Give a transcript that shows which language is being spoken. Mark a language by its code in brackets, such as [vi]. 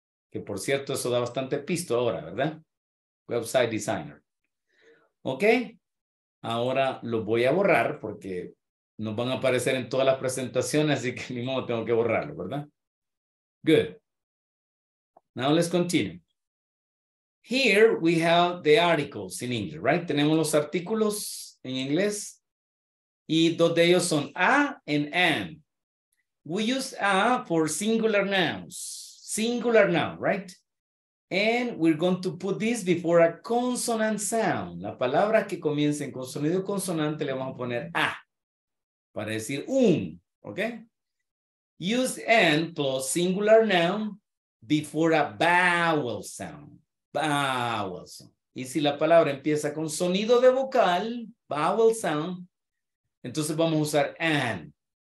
[es] Que por cierto, eso da bastante pisto ahora, ¿verdad? Website designer. Ok, ahora lo voy a borrar porque nos van a aparecer en todas las presentaciones, así que ni modo, tengo que borrarlo, ¿verdad? [en] Good. Now let's continue. Here we have the articles in English, right? [es] Tenemos los artículos en inglés. Y dos de ellos son a and am. [en] We use a for singular nouns. Singular noun, right? And we're going to put this before a consonant sound. [es] La palabra que comience en sonido consonante le vamos a poner a. Para decir un, [en] okay? Use an plus singular noun before a vowel sound. [es] Vowel sound. Y si la palabra empieza con sonido de vocal, vowel sound, entonces vamos a usar an.